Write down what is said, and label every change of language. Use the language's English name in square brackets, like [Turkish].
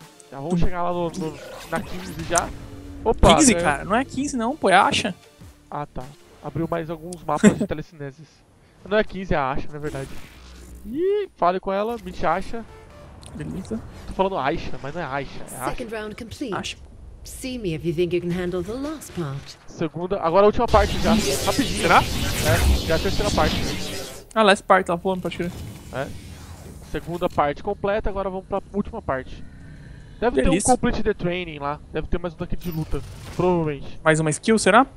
[Portuguese] Já vamos chegar lá na 15 já. Opa! 15, é... cara? Não é 15 não, pô, é a Asha. Ah, tá. Abriu mais alguns mapas de telecineses. Não é 15, é a Asha, na verdade. Ih, fale com ela, me te acha. Beleza. Tô falando Asha, mas não é Asha, é Asha. [English] See me if you think you can handle the last part. [Portuguese] Segunda, agora a última parte já. Rapidinho. Será? É, já é a terceira parte. Ah, last part, tá falando pra tirar. É. Segunda parte completa, agora vamos pra última parte. Deve ter um Complete the Training lá, deve ter mais um daqui de luta, provavelmente. Mais uma skill, será?